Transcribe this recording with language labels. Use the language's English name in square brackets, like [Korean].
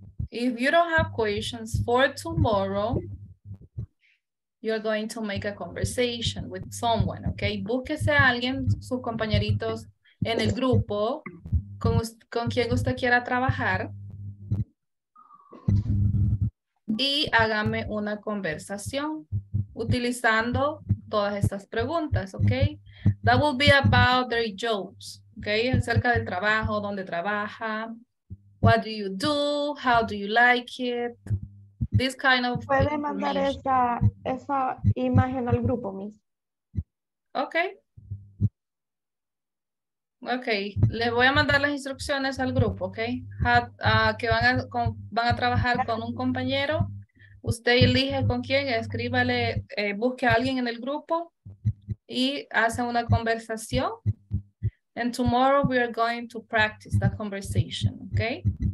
[English] If you don't have questions for tomorrow, you're going to make a conversation with someone, okay? [Spanish] Búsquese a alguien, sus compañeritos en el grupo, con quien usted quiera trabajar, y hágame una conversación utilizando todas estas preguntas, okay? [English] That will be about their jobs, okay? [Spanish] Acerca del trabajo, dónde trabaja. [English] What do you do? How do you like it? This kind of [Spanish] puede mandar esa imagen al grupo, Miss. [English] Okay. [Spanish] Le voy a mandar las instrucciones al grupo, okay? Que van a trabajar con un compañero. Usted elige con quién, escríbale, busque a alguien en el grupo y hacen una conversación. [English] And tomorrow we are going to practice that conversation, okay?